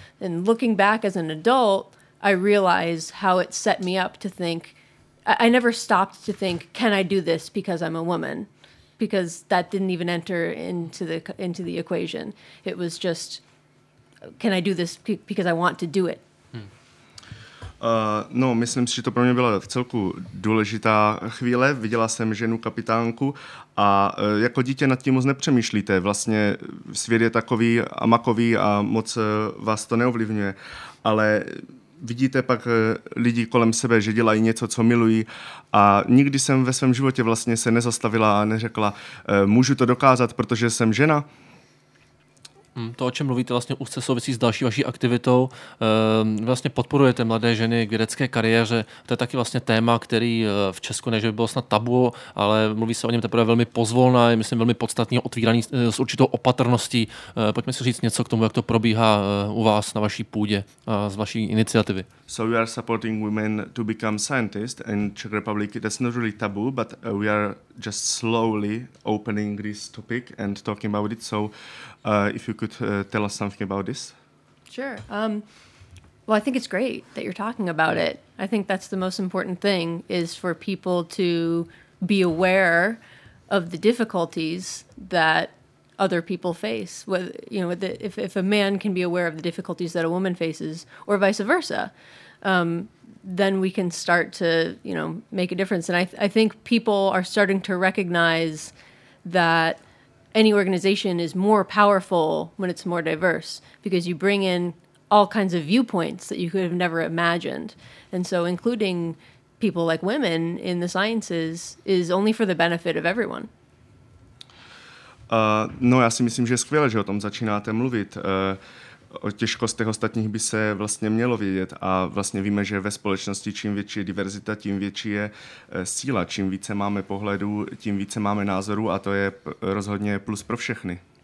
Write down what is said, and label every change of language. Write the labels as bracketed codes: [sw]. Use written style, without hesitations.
[en] And looking back as an adult, I realize how it set me up to think, I never stopped to think, can I do this because I'm a woman? Because that didn't even enter into the equation. It was just, can I do this because I want to do it? [cs] No, myslím si, že to pro mě byla vcelku důležitá chvíle. Viděla jsem ženu kapitánku a jako dítě nad tím moc nepřemýšlíte. Vlastně svět je takový a makový a moc vás to neovlivňuje. Ale vidíte pak lidi kolem sebe, že dělají něco, co milují. A nikdy jsem ve svém životě vlastně se nezastavila a neřekla, můžu to dokázat, protože jsem žena. To, o čem mluvíte, vlastně úzce souvisí s další vaší aktivitou. Vlastně podporujete mladé ženy k vědecké kariéře. To je taky vlastně téma, který v Česku ne, že by bylo snad tabu, ale mluví se o něm teprve velmi pozvolna, je myslím velmi podstatně otvíraný s určitou opatrností. Pojďme si říct něco k tomu, jak to probíhá u vás na vaší půdě a z vaší iniciativy. [en] So we are supporting women to become scientists in Czech Republic. That's not really taboo, but we are just slowly opening this topic and talking about it. So if you could tell us something about this. Sure. Well, I think it's great that you're talking about it. I think that's the most important thing is for people to be aware of the difficulties that other people face. With, you know, with the, if a man can be aware of the difficulties that a woman faces, or vice versa, then we can start to, you know, make a difference. And I think people are starting to recognize that any organization is more powerful when it's more diverse, because you bring in all kinds of viewpoints that you could have never imagined. And so including people like women in the sciences is only for the benefit of everyone. [cs] No, já si myslím, že je skvělé, že o tom začínáte mluvit. O těžkostech ostatních by se vlastně mělo vědět. A vlastně víme, že ve společnosti čím větší je diverzita, tím větší je síla. Čím více máme pohledů, tím více máme názorů, a to je rozhodně plus pro všechny.